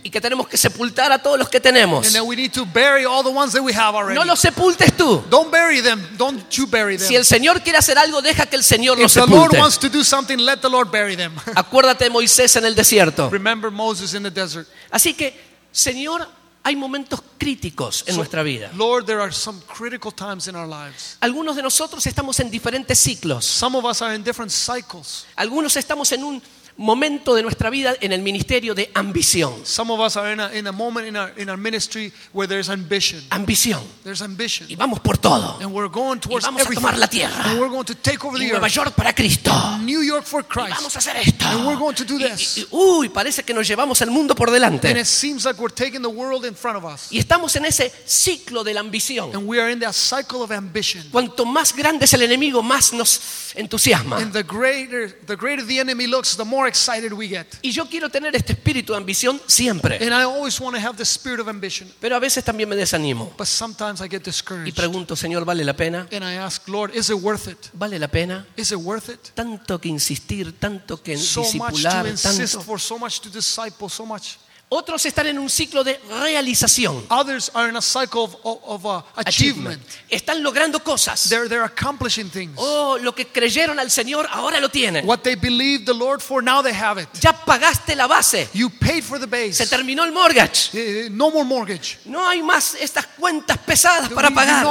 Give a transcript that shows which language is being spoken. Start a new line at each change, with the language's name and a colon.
Spanish: Y que tenemos que sepultar a todos los que tenemos.
English: And that we need to bury all the ones that we have already.
Spanish: No los sepultes tú.
English: Don't bury them. Don't you bury them.
Spanish: Si el Señor quiere hacer algo, deja que el Señor los sepulte.
English: If the Lord wants to do something, let the Lord bury them.
Spanish: Acuérdate de Moisés en el desierto.
English: Remember Moses in the desert.
Spanish: Así que, Señor, hay momentos críticos en nuestra vida.
English: Lord, there are some critical times in our lives.
Spanish: Algunos de nosotros estamos en diferentes ciclos.
English: Some of us are in different cycles.
Spanish: Algunos estamos en un momento de nuestra vida en el ministerio de ambición.
English: Some of us are in a moment in our ministry where there's ambition.
Spanish: Ambición.
English: There's ambition.
Spanish: Y vamos por todo.
English: And we're going towards
Spanish: y vamos
English: everything.
Spanish: A tomar la tierra.
English: And we're going to take over
Spanish: y
English: the
Spanish: Nueva
English: earth.
Spanish: York para Cristo.
English: New York for Christ.
Spanish: Y vamos a hacer esto.
English: And we're going to do this.
Spanish: Uy, parece que nos llevamos el mundo por delante.
English: And it seems like we're taking the world in front of us.
Spanish: Y estamos en ese ciclo de la ambición.
English: And we are in that cycle of ambition.
Spanish: Cuanto más grande es el enemigo, más nos entusiasma.
English: And the greater the enemy looks, the more excited we get.
Spanish: Y yo quiero tener este espíritu de ambición siempre.
English: And I always want to have the spirit of ambition.
Spanish: Pero a veces también me desanimo.
English: But sometimes I get discouraged.
Spanish: Y pregunto, Señor, ¿vale la pena?
English: And I ask, Lord, is it worth it?
Spanish: ¿Vale la pena?
English: Is it worth it?
Spanish: Tanto que insistir, tanto que discipular, tanto.
English: So much to insist for, so much to disciple, so much.
Spanish: Otros están en un ciclo de realización.
English: Others are in a cycle of achievement.
Spanish: Están logrando cosas.
English: They're accomplishing things.
Spanish: Oh, lo que creyeron al Señor ahora lo tienen.
English: What they believed the Lord for, now they have it.
Spanish: Ya pagaste la base.
English: You paid for the base.
Spanish: Se terminó el mortgage.
English: No more mortgage.
Spanish: No hay más estas cuentas pesadas para pagar.